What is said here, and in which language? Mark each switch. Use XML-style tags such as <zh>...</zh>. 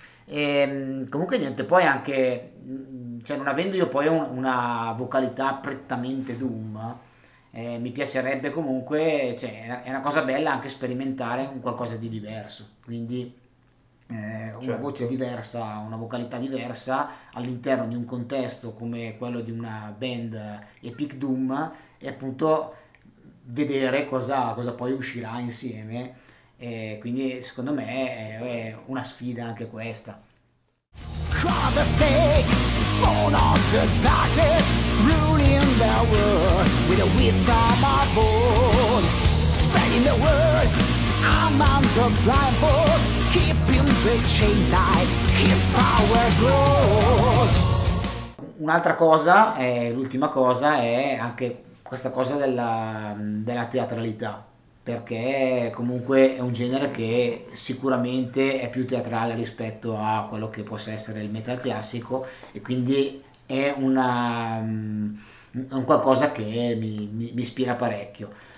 <it>E comunque niente, poi anche, cioè non avendo io poi una vocalità prettamente doom, mi piacerebbe comunque, cioè, è una cosa bella anche sperimentare un qualcosa di diverso, quindi una voce Certo. diversa, una vocalità diversa all'interno di un contesto come quello di una band Epic Doom, e appunto vedere cosa poi uscirà insieme. E quindi secondo me è Assolutamente. una sfida anche questa.</it> <en>Call the stakes, spawn of the darkness, ruining the world with a wisdom of old. Spreading the word, I'm on the blindfold, keeping the chain tight, his power grows.</en> <it>Un'altra cosa, l'ultima cosa, è anche questa cosa della teatralità, perché comunque è un genere che sicuramente è più teatrale rispetto a quello che possa essere il metal classico, e quindi è un qualcosa che mi ispira parecchio.</it>